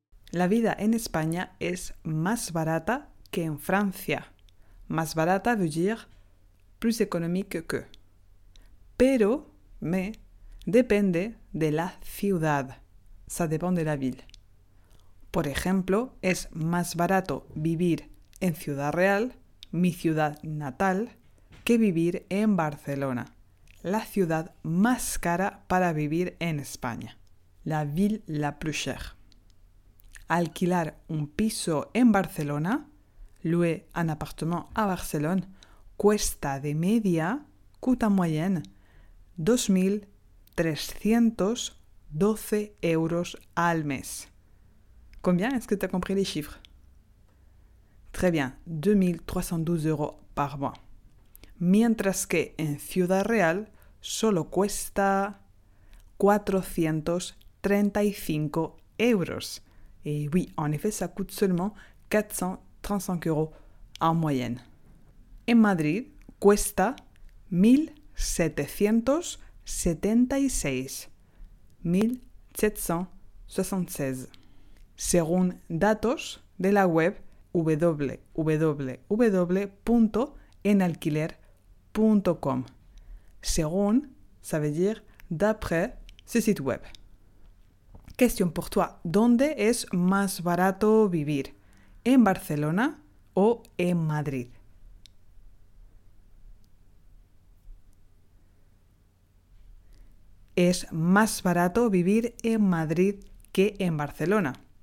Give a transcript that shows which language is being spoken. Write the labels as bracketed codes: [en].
[es] La vida en España es más barata que en Francia. Más barata [fr] veut dire plus économique que. Pero, mais, [es] depende de la ciudad. [fr] Ça dépend de la ville. [es] Por ejemplo, es más barato vivir en Ciudad Real, mi ciudad natal, que vivir en Barcelona, la ciudad más cara para vivir en España, [fr] la ville la plus chère. [es] Alquilar un piso en Barcelona, [fr] louer un appartement à Barcelone, [es] cuesta de media, [fr] coûte en moyenne, [es] 2.312 euros al mes. [fr] Combien est-ce que tu as compris les chiffres? Très bien, 2.312 euros par mois. [es] Mientras que en Ciudad Real solo cuesta 435 euros. [fr] Et oui, en effet, ça coûte seulement 435 euros en moyenne. [es] En Madrid cuesta 1.776. 1.776. Según datos de la web www.enalquiler.com. [fr] Según, ça veut dire d'après ce site web. Question pour toi, [es] ¿dónde es más barato vivir? ¿En Barcelona o en Madrid? es más barato vivir en Madrid que en Barcelona.